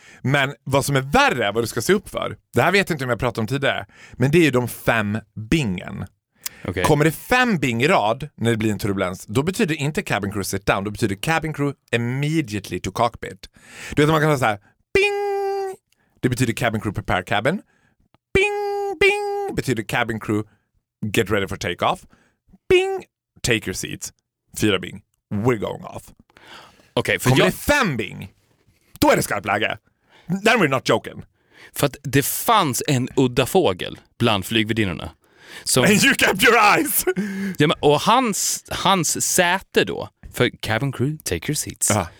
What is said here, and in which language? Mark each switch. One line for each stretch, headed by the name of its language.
Swedish: Men vad som är värre, vad du ska se upp för, det här vet jag inte om jag pratat om tidigare, men det är ju de 5 bingen. Okay. Kommer det 5 bing i rad när det blir en turbulens, då betyder inte
English: cabin crew sit down,
Swedish: då betyder
English: cabin crew immediately to cockpit.
Swedish: Du vet att man kan säga så här, bing, det betyder
English: cabin crew prepare cabin. Bing, bing,
Swedish: betyder
English: cabin crew get ready for take off. Bing, take your seats. 4 bing, we're going off. Okay,
Swedish: för kommer det 5 bing, då är det skarpt läge.
English: Then we're not joking.
Swedish: För att det fanns en udda fågel bland flygvärdinnorna.
English: And you kept your eyes!
Swedish: Ja, men, och hans säte då, för
English: cabin crew, take your seats.